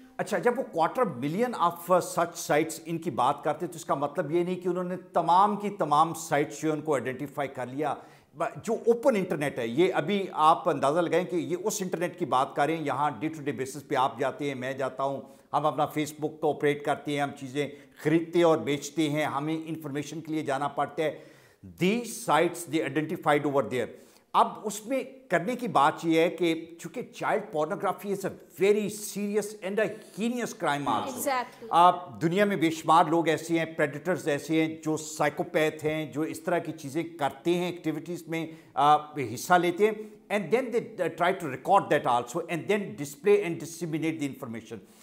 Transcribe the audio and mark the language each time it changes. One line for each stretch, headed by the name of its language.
Hindi: अच्छा, जब वो 250,000 ऑफ सच साइट्स इनकी बात करते हैं तो इसका मतलब ये नहीं कि उन्होंने तमाम की तमाम साइट्स जो उनको आइडेंटिफाई कर लिया। जो ओपन इंटरनेट है, ये अभी आप अंदाज़ा लगाएं कि ये उस इंटरनेट की बात करें, यहाँ डे टू डे बेसिस पे आप जाते हैं, मैं जाता हूँ, हम अपना फेसबुक को ऑपरेट करते हैं, हम चीज़ें खरीदते और बेचते हैं, हमें इंफॉर्मेशन के लिए जाना पड़ता है।
English: These sites they identified over there.
Hindi: अब उसमें करने की बात यह है कि चूंकि
English: Child pornography is a very serious and a heinous crime also.
Hindi: आप दुनिया में बेशुमार लोग ऐसे हैं, प्रेडेटर्स ऐसे हैं जो साइकोपैथ हैं, जो इस तरह की चीज़ें करते हैं, एक्टिविटीज़ में हिस्सा लेते हैं,
English: And then they try to record that also and then display and disseminate the information.